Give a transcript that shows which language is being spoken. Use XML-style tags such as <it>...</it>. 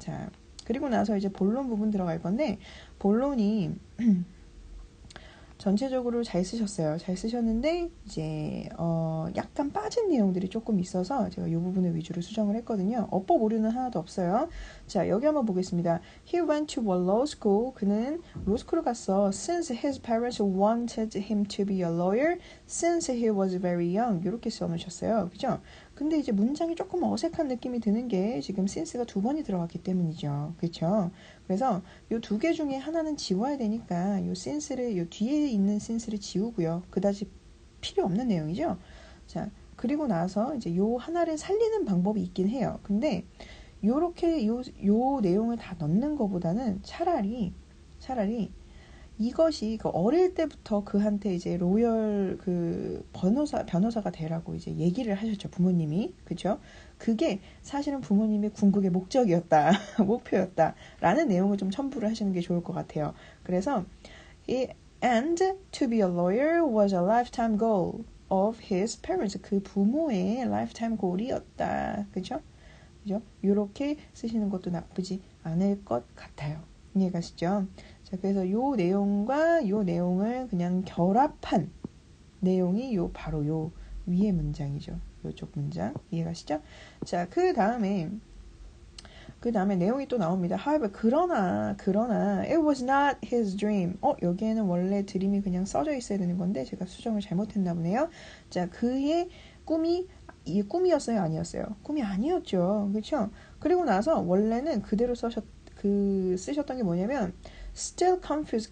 <ko>자, 그리고 나서 이제 본론 부분 들어갈 건데, 본론이 전체적으로 잘 쓰셨어요. 잘 쓰셨는데 이제 약간 빠진 내용들이 조금 있어서 제가 이 부분을 위주로 수정을 했거든요. 어법 오류는 하나도 없어요. 자, 여기 한번 보겠습니다.</ko> <en>He went to a law school.</en> <ko>그는 로스쿨을 갔어.</ko> <en>Since his parents wanted him to be a lawyer, since he was very young.</en> <ko>이렇게 써놓으셨어요. 그죠? 근데 이제 문장이 조금 어색한 느낌이 드는 게 지금 since가 두 번이 들어갔기 때문이죠. 그렇죠? 그래서 요두개 중에 하나는 지워야 되니까 요 since를 요 뒤에 있는 since를 지우고요. 그다지 필요 없는 내용이죠. 자, 그리고 나서 이제 요 하나를 살리는 방법이 있긴 해요. 근데 요렇게 요 내용을 다 넣는 것보다는 차라리 이것이 그 어릴 때부터 그한테 이제 로열 그 변호사가 되라고 이제 얘기를 하셨죠, 부모님이. 그죠? 그게 사실은 부모님의 궁극의 목적이었다, 목표였다라는 내용을 좀 첨부를 하시는 게 좋을 것 같아요.</ko> <en>그래서 he and to be a lawyer was a lifetime goal of his parents.</en> <ko>그 부모의 lifetime goal이었다. 그죠? 그죠? 요렇게 쓰시는 것도 나쁘지 않을 것 같아요. 이해가시죠? 자, 그래서 요 내용과 요 내용을 그냥 결합한 내용이 요 바로 요 위에 문장이죠. 요쪽 문장 이해가시죠? 자, 그 다음에 내용이 또 나옵니다.</ko> <en>However, 그러나 it was not his dream.</en> <ko>여기에는 원래 dream이 그냥 써져 있어야 되는 건데 제가 수정을 잘못했나 보네요. 자, 그의 꿈이 이게 꿈이었어요, 아니었어요? 꿈이 아니었죠. 그렇죠? 그리고 나서 원래는 그대로 쓰셨던 게 뭐냐면</ko> <en>still confused.</en>